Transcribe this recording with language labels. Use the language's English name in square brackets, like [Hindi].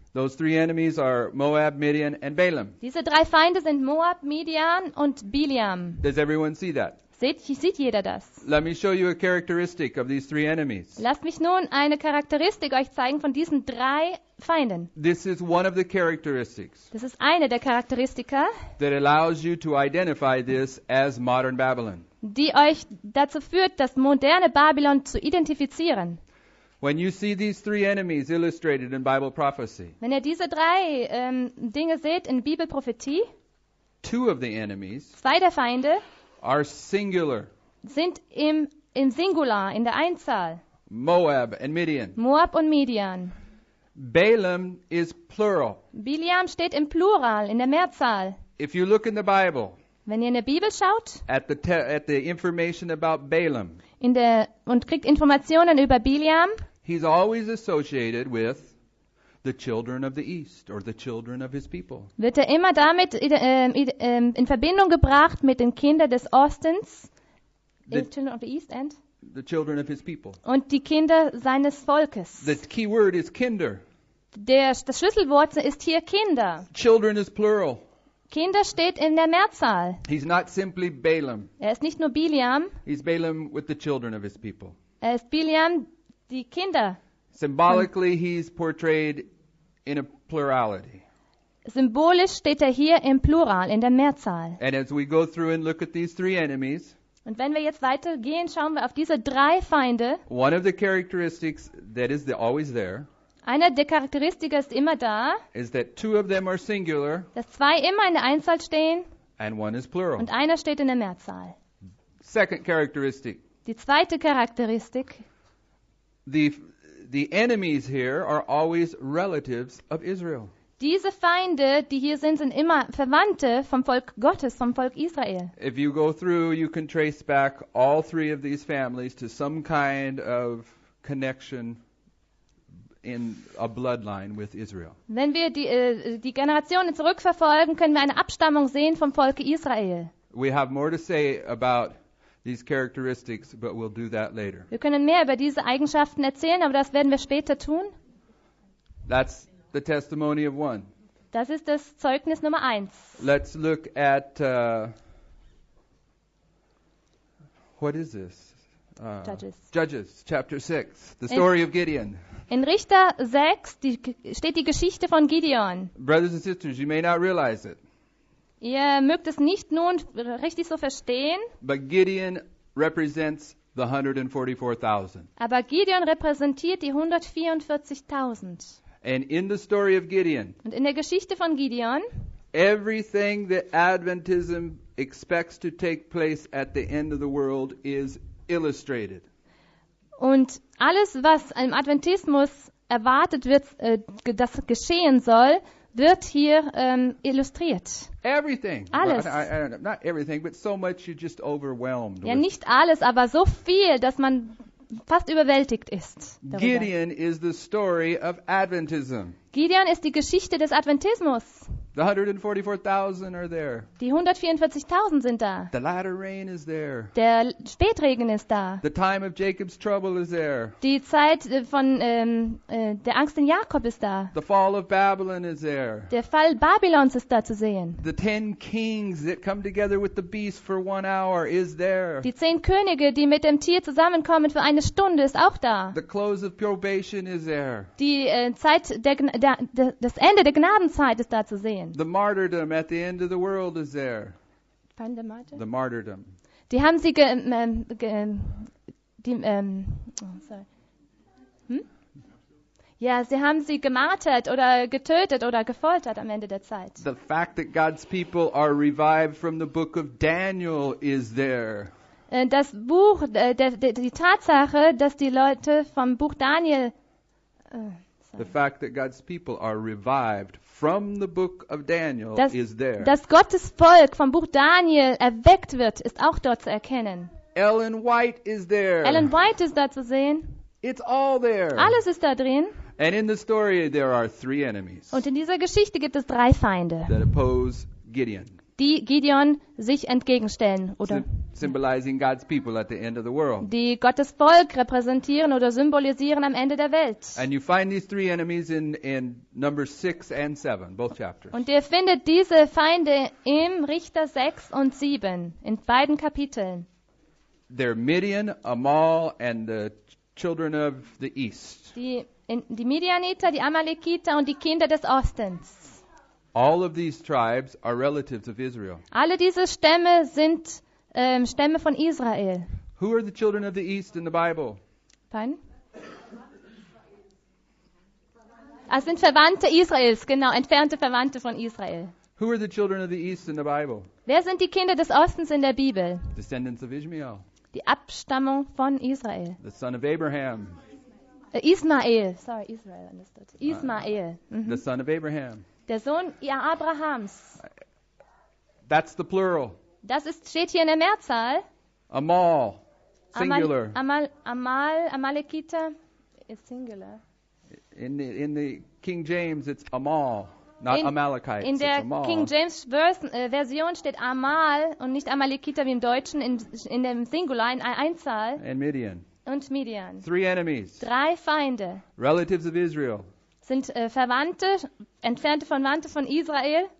[English] Those three enemies are Moab, Midian, and Balaam. [German] Diese drei Feinde sind Moab, Midian und Bileam. [English] Does everyone see that? [German] Sieht jeder das? [English] Let me show you a characteristic of these three enemies. [German] Lasst mich nun eine Charakteristik euch zeigen von diesen drei Feinden. [English] This is one of the characteristics. [German] Das ist eine der Charakteristika. [English] That allows you to identify this as modern Babylon. [German] Die euch dazu führt, das moderne Babylon zu identifizieren. [English] When you see these three enemies illustrated in Bible prophecy. [German] Wenn ihr diese drei Dinge seht in Bibelprophetie. [English] Two of the enemies. [German] Zwei der Feinde. [English] Are singular. [German] Sind im Singular, in der Einzahl. [English] Moab and Midian. [German] Moab und Midian. [English] Balaam is plural. [German] Bileam steht im Plural, in der Mehrzahl. [English] If you look in the Bible. [German] Wenn ihr in der Bibel schaut, [English] at the information about Balaam, [German] und kriegt Informationen über Bileam, [English] he's always associated with the children of the east or the children of his people. [German] Wird er immer damit in Verbindung gebracht mit den Kindern des Ostens, [English] the children of his people, [German] und die Kinder seines Volkes. [English] The key word is Kinder. [German] Das Schlüsselwort ist hier Kinder. [English] Children is plural. [German] Kinder steht in der Mehrzahl. [English] He's not simply Balaam. [German] Er ist nicht nur Bileam. [English] He's Balaam with the children of his people. [German] Er ist Bileam, die Kinder. [English] Symbolically, he's portrayed in a plurality. [German] Symbolisch steht er hier im Plural, in der Mehrzahl. [English] And as we go through and look at these three enemies. [German] Und wenn wir jetzt weitergehen, schauen wir auf diese drei Feinde. [English] One of the characteristics that is always there. [German] Eine der Charakteristika ist immer da, [English] is that two of them are singular, [German] dass zwei immer in der Einzahl stehen [English] and one is plural. [German] Und einer steht in der Mehrzahl. [English] Second characteristic. [German] Die zweite Charakteristik. [English] The enemies here are always relatives of Israel. [German] Diese Feinde, die hier sind, sind immer Verwandte vom Volk Gottes, vom Volk Israel. [English] If you go through, you can trace back all three of these families to some kind of connection in a bloodline with Israel. [German] Wenn wir die Generationen zurückverfolgen, können wir eine Abstammung sehen vom Volke Israel. [English] We have more to say about these characteristics, but we'll do that later. [German] Wir können mehr über diese Eigenschaften erzählen, aber das werden wir später tun. [English] That's the testimony of one. [German] Das ist das Zeugnis Nummer 1. [English] Let's look at what is this? Judges chapter 6, the story of Gideon. [German] In Richter 6 steht die Geschichte von Gideon. [English] Brothers and sisters, you may not realize it. [German] Ihr mögt es nicht nun richtig so verstehen. [English] But Gideon represents the 144,000. [German] Aber Gideon repräsentiert die 144,000. [English] And in the story of Gideon. [German] Und in der Geschichte von Gideon. [English] Everything that Adventism expects to take place at the end of the world is illustrated. [German] Und alles, was im Adventismus erwartet wird, das geschehen soll, wird hier illustriert. [English] Everything. [German] Alles. [English] Not everything, but so much you're just overwhelmed. [German] Ja, nicht alles, aber so viel, dass man fast überwältigt ist. Darüber. [English] Gideon is the story of Adventism. [German] Gideon ist die Geschichte des Adventismus. [English] The 144,000 are there. [German] Die 144,000 sind da. [English] The latter rain is there. [German] Der Spätregen ist da. [English] The time of Jacob's trouble is there. [German] Die Zeit von der Angst in Jakob ist da. [English] The fall of Babylon is there. [German] Der Fall Babylons ist da zu sehen. [English] The 10 kings that come together with the beast for 1 hour is there. [German] Die 10 Könige, die mit dem Tier zusammenkommen für eine Stunde, ist auch da. [English] The close of probation is there. [German] Die Zeit das Ende der Gnadenzeit ist da zu sehen. [English] The martyrdom at the end of the world is there. The martyrdom. [German] Die haben sie die Ja, sie haben sie gemartert oder getötet oder gefoltert am Ende der Zeit. [English] The fact that God's people are revived from the book of Daniel is there. [German] Das Buch, die Tatsache, dass die Leute vom Buch Daniel [English] The fact that God's people are revived from the book of Daniel is there. [German] Dass Gottes Volk vom Buch Daniel erweckt wird, ist auch dort zu erkennen. [English] Ellen White is there. [German] Ellen White ist da zu sehen. [English] It's all there. [German] Alles ist da drin. [English] And in the story there are three enemies. [German] Und in dieser Geschichte gibt es drei Feinde. [English] That oppose Gideon. [German] Die Gideon sich entgegenstellen oder [English] symbolizing God's people at the end of the world. [German] Die Gottes Volk repräsentieren oder symbolisieren am Ende der Welt. [English] And you find these three enemies in Numbers 6 and 7, both chapters. [German] Und ihr findet diese Feinde im Richter 6 und 7 in beiden Kapiteln. [English] They're Midian, Amal and the children of the East. [German] Die Midianiter, die Amalekiter und die Kinder des Ostens. [English] All of these tribes are relatives of Israel. [German] Alle diese Stämme sind Stämme von Israel. [English] Who are the children of the East in the Bible? Pardon? [German] Es sind Verwandte Israels, genau, entfernte Verwandte von Israel. [English] Who are the children of the East in the Bible? [German] Wer sind die Kinder des Ostens in der Bibel? [English] Descendants of Ishmael. [German] Die Abstammung von Israel. [English] The son of Abraham. Ismael, sorry, Israel, understood. Ismael. The son of Abraham. [German] Der Sohn Abrahams. [English] That's the plural. [German] Das ist, steht hier in der Mehrzahl. [English] Amal, singular. Amalekita is singular. In the King James it's Amal, not Amalekites. [German] In der King James Version steht Amal und nicht Amalekita wie im Deutschen in dem Singular, in Einzahl. [English] And Midian. [German] Und Midian. [English] Three enemies. [German] Drei Feinde. [English] Relatives of Israel. [German] Sind Verwandte, entfernte Verwandte von Israel.